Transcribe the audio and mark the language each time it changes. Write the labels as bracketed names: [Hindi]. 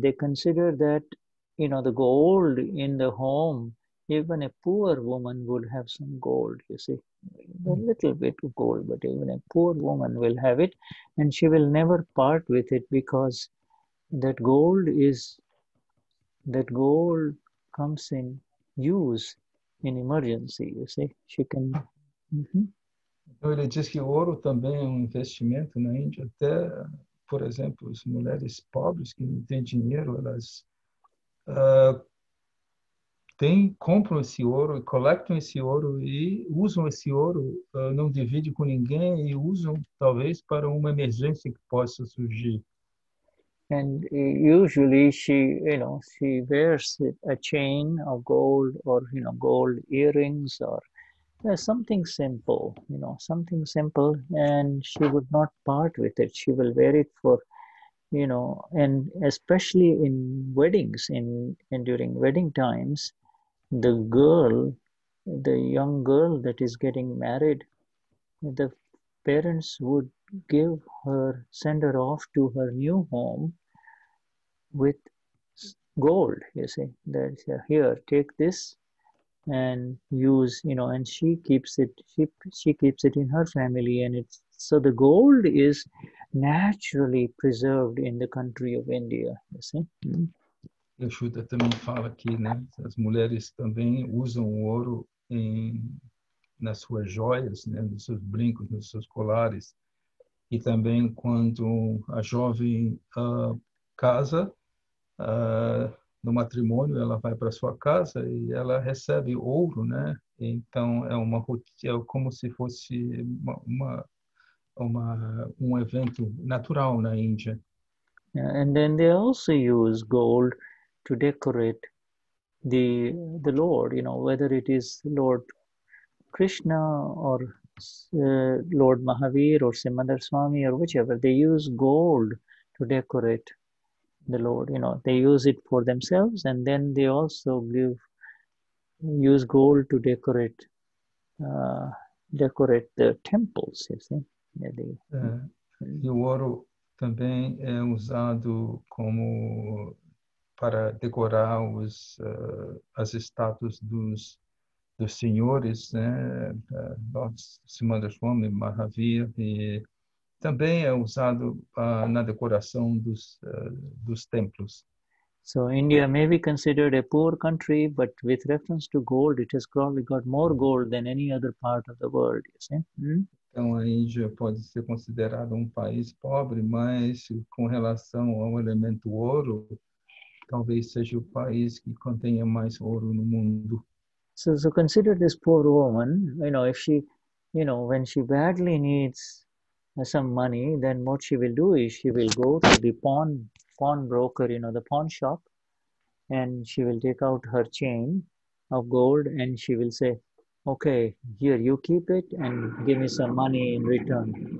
[English] They consider that, you know, the gold in the home, even a poor woman would have some gold, you see. A little bit of gold, but even a poor woman will have it, and she will never part with it because that gold comes in use in emergency, you see. She can. [Portuguese] Então ele diz que o ouro também é um investimento na Índia, até, por exemplo, as mulheres pobres que não têm dinheiro, elas compram esse ouro, coletam esse ouro e usam esse ouro, não dividem com ninguém e usam talvez para uma emergência que possa surgir. [English] And usually she, you know, she wears a chain of gold or, you know, gold earrings or something simple, you know, something simple, and she would not part with it. She will wear it for, you know, and especially in weddings, in during wedding times, the girl, the young girl that is getting married, the parents would give her, send her off to her new home with gold, you see. There's here, take this and use, you know, and she keeps it in her family, and it's, so the gold is naturally preserved in the country of India, you see. [Portuguese] O Shuddha também fala que, né, as mulheres também usam o ouro nas suas joias, né, nos seus brincos, nos seus colares. E também quando a jovem casa, no matrimônio, ela vai para sua casa e ela recebe ouro, né? Então é uma rotina, é como se fosse um evento natural na Índia. [English] And then they also use gold to decorate the Lord, you know, whether it is Lord Krishna or Lord Mahavir or Simandar Swami or whichever, they use gold to decorate the Lord, you know, they use it for themselves, and then they also use gold to decorate the temples, you see. [Portuguese] E o ouro também é usado como para decorar as estátuas dos senhores, né? Lord Simandar Swami, Mahavir, e também é usado na decoração dos templos. [English] So India may be considered a poor country, but with reference to gold, it has probably got more gold than any other part of the world, you see? [Portuguese] Então a Índia pode ser considerada um país pobre, mas com relação ao elemento ouro, talvez seja o país que contenha mais ouro no mundo. [English] So consider this poor woman, you know, if she, you know, when she badly needs some money, then what she will do is she will go to the pawnbroker, you know, the pawn shop, and she will take out her chain of gold and she will say, okay, here, you keep it and give me some money in return.